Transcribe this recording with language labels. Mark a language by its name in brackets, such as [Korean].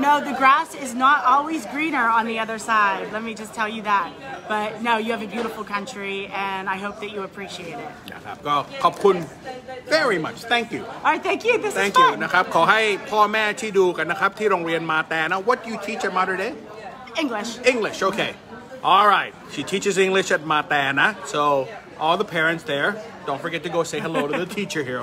[English] the grass is not always greener on the other side. Let me just tell you that. But no, you have a beautiful country, and I hope that you appreciate it. [Thai] ขอบคุณ [English] very much. Thank you. All right, thank you. This thank is fun. Thank you. [Thai] นะครับขอให้พ่อแม่ที่ดูกันนะครับที่โรงเรียนมาแต่นะ [English] What do you teach at Mater Dei? English. English. Okay. All right. She teaches English at Mater Dei. So all the parents there, don't forget to go say hello to the teacher here.